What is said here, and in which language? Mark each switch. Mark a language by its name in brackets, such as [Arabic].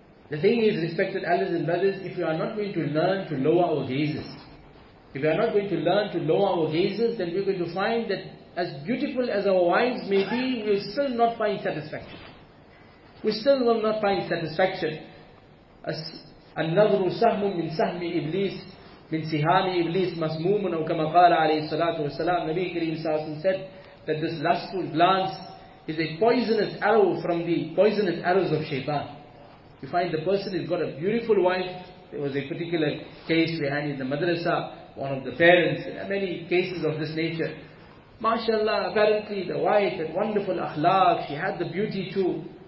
[English] The thing is, respected elders and brothers, if we are not going to learn to lower our gazes, if we are not going to learn to lower our gazes, then we are going to find that as beautiful as our wives may be, we will still not find satisfaction. We still will not find satisfaction. [Arabic] As النظر سهم من سهم إبليس من سهام إبليس مسموم أو كما قال عليه الصلاة والسلام. [English] Nabi Kareem Sasim said that this lustful glance is a poisonous arrow from the poisonous arrows of Shaitan. You find the person has got a beautiful wife. There was a particular case we had in the madrasa, one of the parents. There are many cases of this nature. MashaAllah, apparently the wife had wonderful akhlaq, she had the beauty too.